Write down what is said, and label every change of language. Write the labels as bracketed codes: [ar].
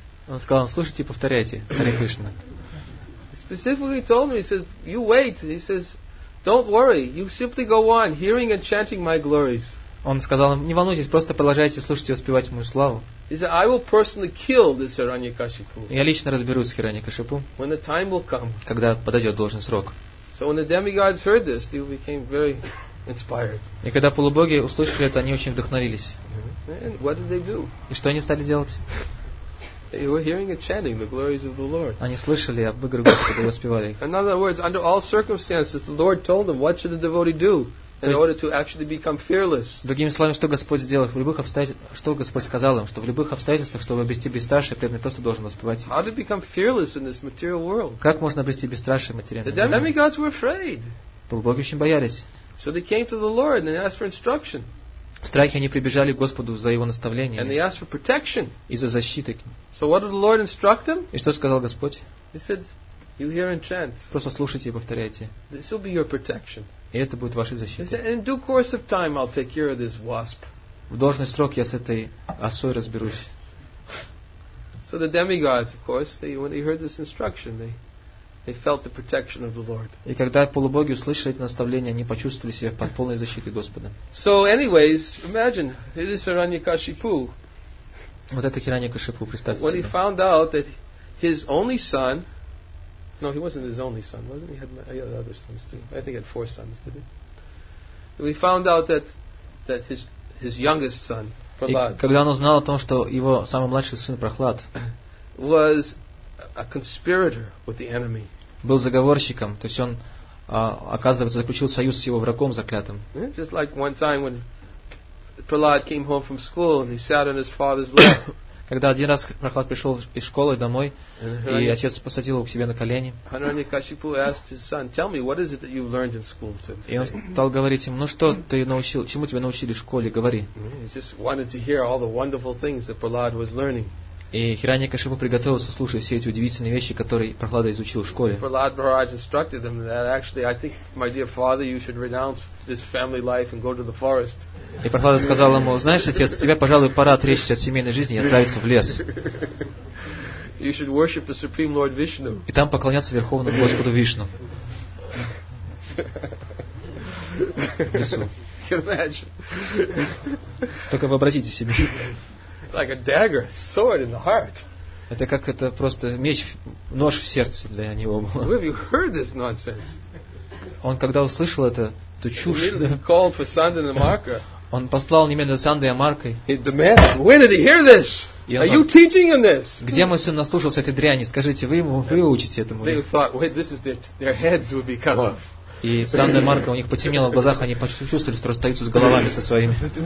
[ru] Он сказал, слушайте и повторяйте, Харе Кришна. [en] Specifically told me, he says, you wait. He says, don't worry, you simply go on hearing and chanting my glories. [ru] Он сказал, не волнуйтесь, просто продолжайте слушать и воспевать мою славу. [en] He said, I will personally kill this Hiranyakashipu. [ru] Я лично разберусь с Хиранья-Кашипу. [en] When the time will come. [ru] Когда подойдет должный срок. [en] So when the demigods heard this, they became very inspired. [ru] И когда полубоги услышали это, они очень вдохновились. [en] And what did they do? [ru] И что они стали делать? [en] They were hearing and chanting the glories of the Lord. [ru] Они слышали об игре Господа и воспевали их. [en] In other words, under all circumstances, the Lord told them, what should the devotee do? in order to actually become fearless. [ru] Другими словами, что Господь сделал в любых обстоятельствах, что Господь сказал им, что в любых обстоятельствах, чтобы обрести бесстрашие, преданный просто должен воспевать. [en] How to become fearless in this material world? [ru] Как можно обрести бесстрашие в материальном мире? [en] The demigods were afraid. [ru] Полубоги очень боялись. [en] So they came to the Lord and asked for instruction. [ru] В страхе они прибежали к Господу за его наставление. [en] And they asked for protection. [ru] И за защиту. [en] So what did the Lord instruct them? [ru] И что сказал Господь? [en] He said, you hear and chant. [ru] Просто слушайте и повторяйте. [en] This will be your protection. [ru] И это будет вашей защитой. [en] In due course of time, I'll take care of this wasp. [ru] В должный срок я с этой осой разберусь. [en] So the demigods, of course, they, when they heard this instruction, they felt the protection of the Lord. [ru] И когда полубоги услышали это наставление, они почувствовали себя под полной защитой Господа. [en] So, anyways, imagine this is Hiranyakashipu. [ru] Вот это Хираньякашипу, представьте себе. [en] When he found out that his only son. No, he wasn't his only son, wasn't he? He had other sons too. I think he had four sons, didn't he? We found out that his youngest son, Prahlad. [ru] Когда он узнал о том, что его самый младший сын Прохлад [en] was a conspirator with the enemy. [ru] Был заговорщиком, то есть он оказывается заключил союз с его врагом заклятым. [en] Just like one time when Prahlad came home from school and he sat on his father's lap. [ru] Когда один раз Прохлад пришел из школы домой, и отец посадил его к себе на колени. [en] Hiranyakashipu asked his son, "Tell me, what is it that you've learned in school today?" [ru] И он стал говорить ему, "Ну что ты научил? Чему тебя научили в школе? Говори." [en] He just wanted to hear all the wonderful things that Prahlad was learning. [ru] И Hiranyakashipu приготовился слушать все эти удивительные вещи, которые Прохлада изучил в школе. [en] Prahlad Maharaj instructed them that actually, I think, my dear father, you should renounce this family life and go to the forest. [ru] И Прохлада сказал ему, знаешь, отец, тебе, пожалуй, пора отречься от семейной жизни и отправиться в лес. [en] You should worship the Supreme Lord Vishnu. [ru] И там поклоняться Верховному Господу Вишну. В лесу. Только вообразите себе. [en] Like a dagger, sword in the heart. [ru] Это как это просто меч, нож в сердце для него. [en] Where have you heard this nonsense? [ru] Он когда услышал это, то чушь. [en] He immediately called for Sandhya and Marka. [ru] Он послал немедленно Сандхи и Марка. [en] The man, when did he hear this? Are you teaching him this? [ru] Где мой сын наслушался этой дряни? Скажите, вы его учите этому? [en] They thought, wait, this is their heads would be cut off. [ru] И Санда и Марка, у них потемнело в глазах, они почувствовали, что расстаются с головами со своими.